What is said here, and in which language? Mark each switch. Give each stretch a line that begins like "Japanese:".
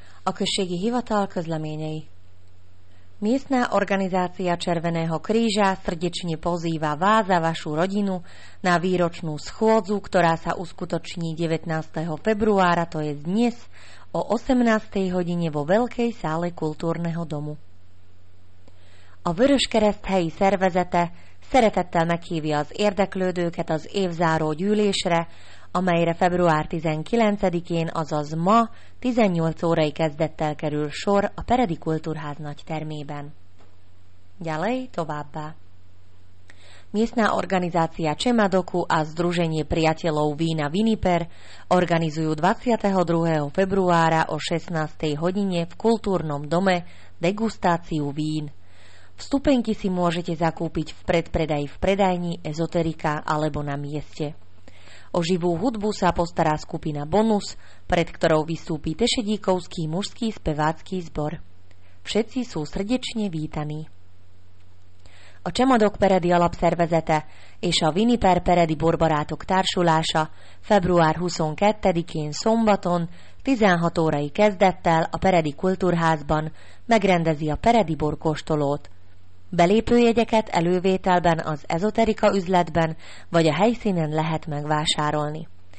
Hungarian: A községi hivatal közleményei.
Slovak: Miestna organizácia Červeného kríža srdečne pozýva vás a vašu rodinu na výročnú schôdzu, ktorá sa uskutoční 19. februára, to je dnes, o 18. hodine vo Veľkej sále kultúrneho domu.
Hungarian: A vöröskereszt helyi szervezete szeretettel meghívja az érdeklődőket az évzáró gyűlésre, amelyre február 19-én, azaz ma 18 órai kezdettel kerül sor a Peredi Kultúrház nagy termében.
Slovak: Ďalej továbbá. Miestna organizácia Čemadoku a Združenie priateľov vína Viniper organizujú 22. februára o 16. hodine v kultúrnom dome degustáciu vín. Vstupenky si môžete zakúpiť v predpredaji v predajni Ezoterika alebo na mieste. O živú hudbu sa postará skupina Bonus, pred ktorou vystúpi Tešedíkovský mužský spevácky zbor. Všetci sú srdečne vítaní.
Hungarian: A Čemadok Peredi alapszervezete és a Viniper Peredi Borbarátok társulása február 22-én szombaton 16 órai kezdettel a Peredi Kultúrházban megrendezi a Peredi borkóstolót. Belépőjegyeket elővételben az Ezoterika üzletben vagy a helyszínen lehet megvásárolni.